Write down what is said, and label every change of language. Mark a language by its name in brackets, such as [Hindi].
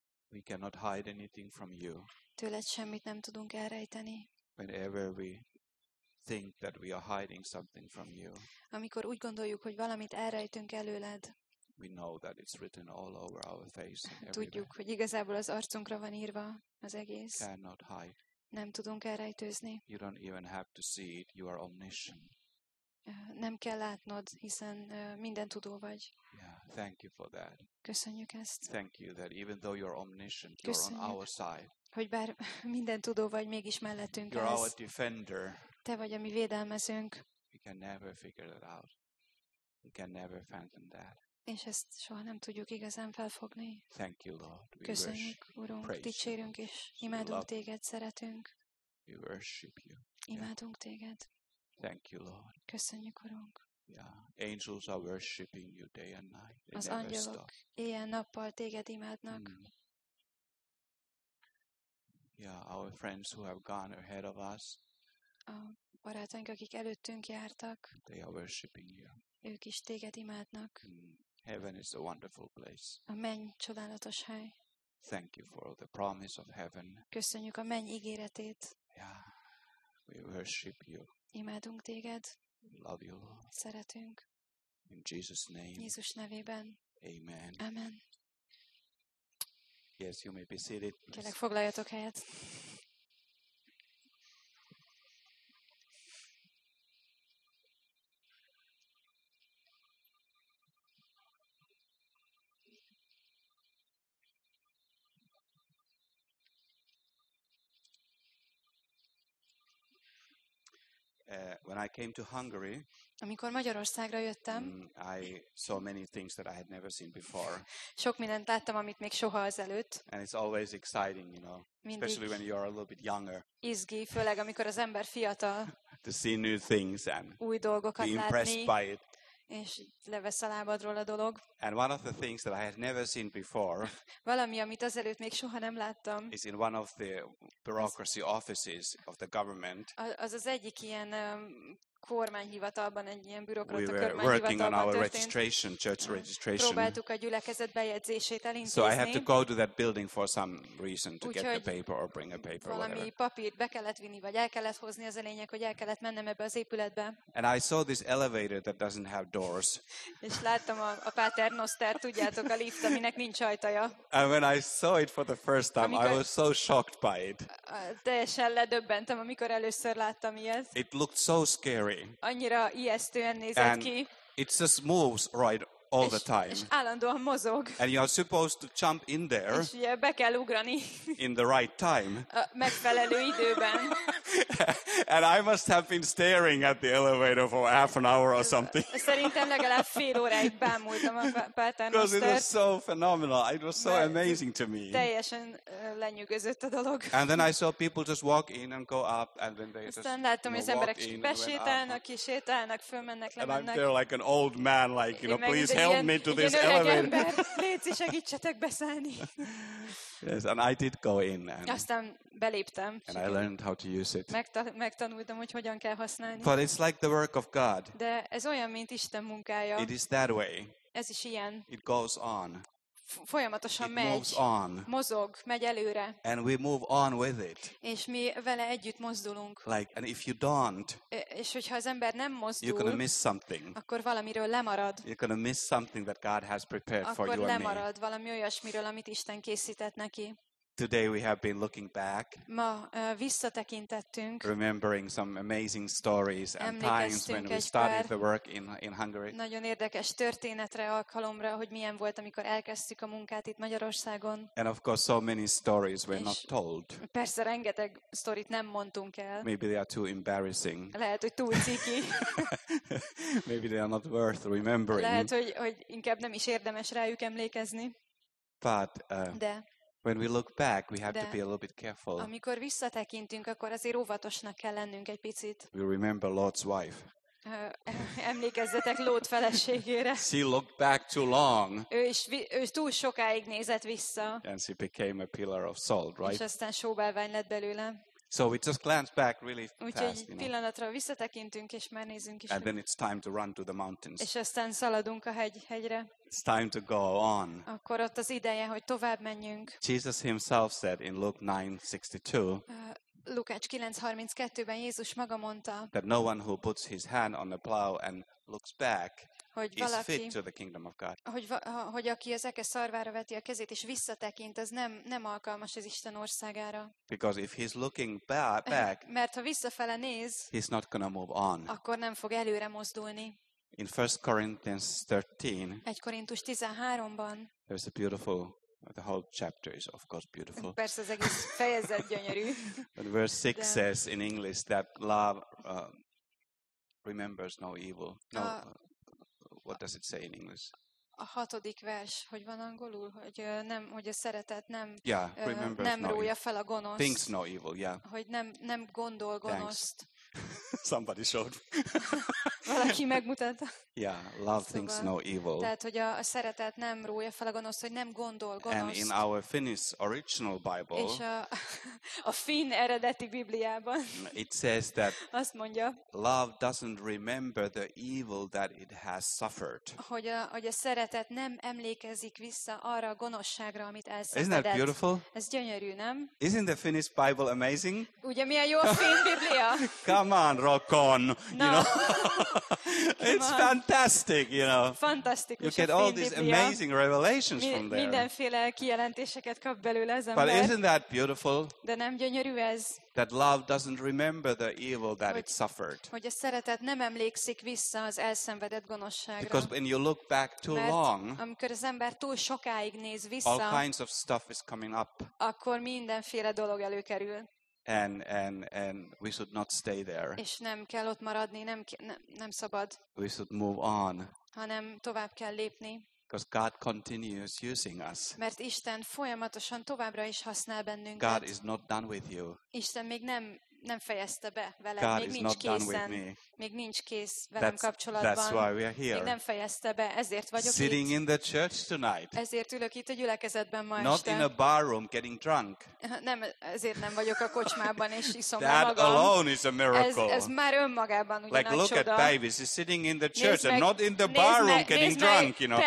[English] We cannot hide anything from you. [Hungarian] Tőled semmit nem tudunk elrejteni. [English] Whenever we think that we are hiding something from you. [Hungarian] Amikor úgy gondoljuk, hogy valamit elrejtünk előled. [English] We know that it's written all over our face. [Hungarian] Tudjuk, hogy igazából az arcunkra van írva az egész. [English] Cannot hide. [Hungarian] Nem tudunk elrejtőzni. [English] You don't even have to see it. You are omniscient. [Hungarian] Nem kell látnod, hiszen minden tudó vagy. [English] Yeah, thank you for that. [Hungarian] Köszönjük ezt. [English] Thank you that even though you're omniscient, you're on our side. [Hungarian] Hogy bár minden tudó vagy, mégis mellettünk állsz. [English] You're our defender. [Hungarian] Te vagy a mi védelmezőnk. [English] We can never figure that out. We can never fathom that. [Hungarian] És ezt soha nem tudjuk igazán felfogni. [English] Thank you, Lord. We [Hungarian] köszönjük, Urunk, dicsérünk és imádunk téged, szeretünk. [English] We worship you. [Hungarian] Imádunk téged. [English] Thank you, Lord. [Hungarian] Köszönjük, Urunk. [English] Yeah, angels are worshiping you day and night. They [Hungarian] az angyalok éjjel-nappal téged imádnak. [English] Yeah, our friends who have gone ahead of us. [Hungarian] A barátaink, akik előttünk jártak. [English] They are worshiping you. [Hungarian] Ők is téged imádnak. [English] Heaven is a wonderful place. [Hungarian] A menny csodálatos hely. [English] Thank you for the promise of heaven. [Hungarian] Köszönjük a menny ígéretét. [English] Yeah, we worship you. [Hungarian] Imádunk téged. [English] Love you, Lord. [Hungarian] Szeretünk. [English] In Jesus' name. [Hungarian] Jézus nevében. [English] Amen. [Hungarian] Amen. [English] Yes, you may be seated. [Hungarian] Kérlek, foglaljatok helyet. [English] When I came to Hungary, [Hungarian] amikor Magyarországra jöttem, [English] I saw many things that I had never seen before. [Hungarian] Sok mindent láttam, amit még soha azelőtt. [English] And it's always exciting, you know, especially when you are a little bit younger. [Hungarian] Izgi, főleg amikor az ember fiatal. [English] To see new things and [Hungarian] új dolgokat [English] be impressed [Hungarian] látni, [English] by it. [Hungarian] És levesz a lábadról a dolog. [English] And one of the things that I had never seen before. [Hungarian] Valami, amit azelőtt még soha nem láttam. [English] Is in one of the bureaucracy offices of the government. [Hungarian] Az az egyik ilyen kormányhivatalban, egy ilyen bürokrata kormányhivatalban történt. [English] We were working on our registration, church registration. [Hungarian] Próbáltuk a gyülekezet bejegyzését elintézni. [English] So I have to go to that building for some reason to get the paper or bring a paper. [Hungarian] Valami papírt be kellett vinni, vagy el kellett hozni, az a lényeg, hogy el kellett mennem ebbe az épületbe. [English] And I saw this elevator that doesn't have doors. [Hungarian] És láttam a paternoster, tudjátok, a lift, aminek nincs ajtaja. [English] And when I saw it for the first time, I was so shocked by it. [Hungarian] Teljesen ledöbbentem, amikor először láttam ilyet. [English] It looked so scary. [Hungarian] Annyira ijesztően nézett [English] and [Hungarian] ki. [English] It just moves right all [Hungarian] és, [English] the time. [Hungarian] És állandóan mozog. [English] And you are supposed to jump in there. [Hungarian] És ugye be kell ugrani. [English] In the right time. [Hungarian] A megfelelő időben. [English] And I must have been staring at the elevator for half an hour or something. [Hungarian] Szerintem legalább fél óráig bámultam a paternostert. [English] Because it was so phenomenal. It was so amazing to me. [Hungarian] Teljesen lenyűgözött a dolog. [English] And then I saw people just walk in and go up and then they [Hungarian] aztán láttam, hogy az emberek besétálnak, kisétálnak, fölmennek, lemennek. [English] And I'm there like an old man, like, you know, please help me to this elevator. [Hungarian] Légy, segítsetek beszállni. [English] Yes, and I did go in. And [Hungarian] aztán beléptem. [English] And I learned how to use it. [Hungarian] Megtanultam, hogy hogyan kell használni. [English] But it's like the work of God. [Hungarian] De ez olyan, mint Isten munkája. [English] It is that way. [Hungarian] Ez is ilyen. [English] It goes on. [Hungarian] Folyamatosan [English] it [Hungarian] megy. [English] Moves on. [Hungarian] Mozog, megy előre. [English] And we move on with it. [Hungarian] És mi vele együtt mozdulunk. [English] Like, and if you don't, [Hungarian] és hogyha az ember nem mozdul, [English] you're gonna miss something. [Hungarian] Akkor valamiről lemarad. [English] You're gonna miss something that God has prepared [Hungarian] akkor [English] for you [Hungarian] lemarad [English] and me. [Hungarian] Valami olyasmiről, amit Isten készített neki. [English] Today we have been looking back. [Hungarian] Ma visszatekintettünk. [English] Remembering some amazing stories and times when we started the work in Hungary. [Hungarian] Nagyon érdekes történetre, alkalomra, hogy milyen volt, amikor elkezdtük a munkát itt Magyarországon. [English] And of course so many stories were not told. [Hungarian] Persze rengeteg sztorit nem mondtunk el. [English] Maybe they are too embarrassing. [Hungarian] Lehet, hogy túl ciki. [English] Maybe they are not worth remembering. [Hungarian] Lehet, hogy inkább nem is érdemes rájuk emlékezni. [English] But [Hungarian] de [English] When we look back, we have to be a little bit careful. [Hungarian] Amikor visszatekintünk, akkor azért óvatosnak kell lennünk egy picit. [English] We remember Lot's wife. [Hungarian] Emlékezzetek Lót feleségére. [English] She looked back too long. [Hungarian] Ő túl sokáig nézett vissza. [English] And she became a pillar of salt, right? [Hungarian] És aztán sóbálvány lett belőle. [English] So we just glance back really fast. [Hungarian] Úgyhogy pillanatra visszatekintünk és már nézünk is. [English] And then it's time to run to the mountains. [Hungarian] És aztán szaladunk a hegyre. [English] It's time to go on. [Hungarian] Akkor ott az ideje, hogy tovább menjünk. [English] Jesus himself said in Luke 9:62. [Hungarian] Lukács 9:32-ben Jézus maga mondta. [English] That no one who puts his hand on the plow and looks back [Hungarian] hogy valaki, [English] is fit to the kingdom of God. [Hungarian] Hogy aki az eke szarvára veti a kezét és visszatekint, az nem alkalmas az Isten országára. [English] Because if he's looking back, [Hungarian] mert ha visszafele néz, [English] he's not gonna move on. [Hungarian] Akkor nem fog előre mozdulni. [English] In 1 Corinthians 13, [Hungarian] 1 Korintus 13-ban, [English] there's a beautiful, the whole chapter is of course beautiful. [Hungarian] Persze az egész fejezet gyönyörű. [English] But verse 6 says in English that love remembers no evil. No, what does it say in English? [Hungarian] A hatodik vers, hogy van angolul, hogy nem, hogy a szeretet nem, [English] yeah, [Hungarian] nem [English] no [Hungarian] rója [English] evil. [Hungarian] Fel a gonoszt. [English] Thinks no evil, yeah. [Hungarian] Hogy nem gondol gonoszt. [English] Somebody showed. [Hungarian] Valaki megmutatta. [English] Yeah, love [Hungarian] szóval, [English] thinks no evil. [Hungarian] Tehát, hogy a szeretet nem rója fel a gonoszt, hogy nem gondol gonoszt. [English] And in our Finnish original Bible. [Hungarian] És a finn eredeti Bibliában. [English] It says that. [Hungarian] Azt mondja. [English] Love doesn't remember the evil that it has suffered. [Hungarian] Hogy a szeretet nem emlékezik vissza arra a gonoszságra, amit elszenvedett. [English] Isn't that beautiful? [Hungarian] Ez gyönyörű, nem? [English] Isn't the Finnish Bible amazing? [Hungarian] Ugye milyen jó a finn Biblia? [English] Come on, rock on, no. You know. It's fantastic, you know. [Hungarian] Fantasztikus. [English] You get all these amazing revelations from there. [Hungarian] Mindenféle kijelentéseket kap belőle az ember. [English] But isn't that beautiful? [Hungarian] De nem gyönyörű ez? [English] That love doesn't remember the evil that it suffered. [Hungarian] Hogy a szeretet nem emlékszik vissza az elszenvedett gonoszságra. [English] Because when you look back too long, [Hungarian] amikor az ember túl sokáig néz vissza, [English] all kinds of stuff is coming up. [Hungarian] Akkor mindenféle dolog előkerül. [English] And we should not stay there. [Hungarian] És nem kell ott maradni, nem szabad. [English] We should move on. [Hungarian] Hanem tovább kell lépni. [English] Because God continues using us. [Hungarian] Mert Isten folyamatosan továbbra is használ bennünket. [English] God is not done with you. [Hungarian] Isten még nem fejezte be velem. [English] God [Hungarian] még [English] is [Hungarian] nincs [English] not [Hungarian] készen, [English] done with me. [Hungarian] Még nincs kész velem [English] that's, [Hungarian] kapcsolatban. [English] That's why we are here. [Hungarian] Még nem fejezte be, ezért vagyok [English] sitting [Hungarian] itt. [English] Sitting in the church tonight. [Hungarian] Ezért ülök itt a gyülekezetben ma este. [English] Not in a bar room getting drunk. [Hungarian] Nem, ezért nem vagyok a kocsmában és iszom magam. [English] That alone is a miracle. [Hungarian] Ez már önmagában ugyanaz. [English] Like look [Hungarian] csoda. [English] At Pavi, she's sitting in the church meg, and not in the bar room getting drunk, you know.